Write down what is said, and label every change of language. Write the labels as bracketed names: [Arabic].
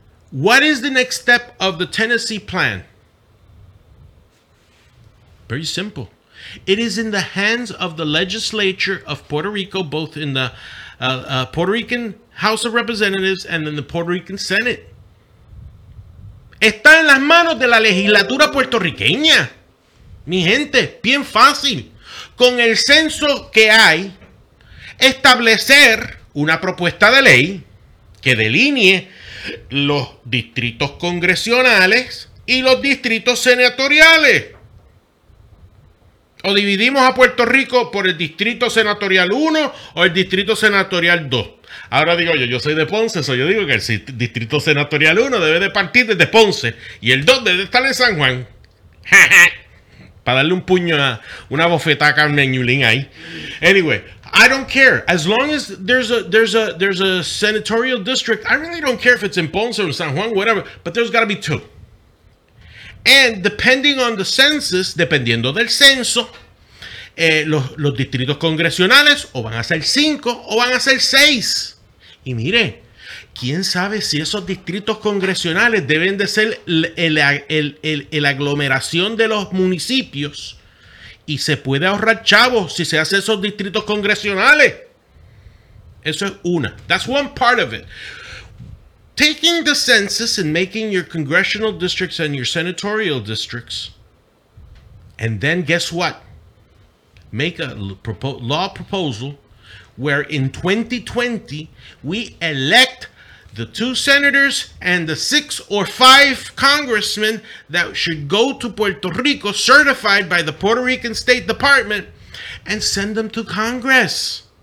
[English] What is the next step of the Tennessee plan? Very simple. It is in the hands of the legislature of Puerto Rico, both in the Puerto Rican House of Representatives and in the Puerto Rican Senate. [Spanish] Está en las manos de la legislatura puertorriqueña. Mi gente, bien fácil. Con el censo que hay, establecer una propuesta de ley que delinee los distritos congresionales y los distritos senatoriales. O dividimos a Puerto Rico por el distrito senatorial 1 o el distrito senatorial 2. Ahora digo yo soy de Ponce, so yo digo que el distrito senatorial 1 debe de partir desde Ponce y el 2 debe de estar en San Juan. Para darle un puño a una bofetada a Carmen Yulín ahí. [English] Anyway, I don't care. As long as there's a senatorial district, I really don't care if it's in Ponce or San Juan, whatever, but there's got to be two. And depending on the census, [Spanish] dependiendo del censo, los distritos congresionales o van a ser 5 o van a ser 6. Y mire, ¿quién sabe si esos distritos congresionales deben de ser el aglomeración de los municipios y se puede ahorrar chavos si se hace esos distritos congresionales? Eso es una. [English] That's one part of it. Taking the census and making your congressional districts and your senatorial districts. And then guess what? Make a law proposal where in 2020 we elect the 2 senators and the 6 or 5 congressmen that should go to Puerto Rico certified by the Puerto Rican State Department and send them to Congress.